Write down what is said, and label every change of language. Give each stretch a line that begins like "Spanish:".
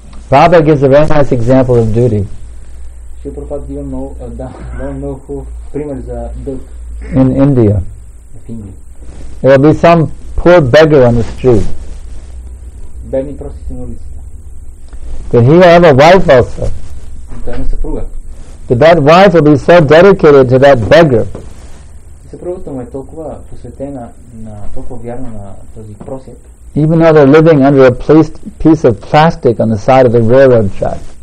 English: Prabhupada gives a very nice example of duty.
Bulgarian: Шрила Прабхупада дава много хубав пример за дълг.
English: In India.
Bulgarian: В Индия.
English: There will be some poor beggar on the street.
Bulgarian: Бедни простите на улицата.
English: But he will have a wife also.
Bulgarian: Той има съпруга.
English: But that wife will be so dedicated to that beggar.
Bulgarian: Съпругата му е толкова посветена, толкова вярна на този просяк.
English: Even though they're living under a piece of plastic on the side of the railroad track.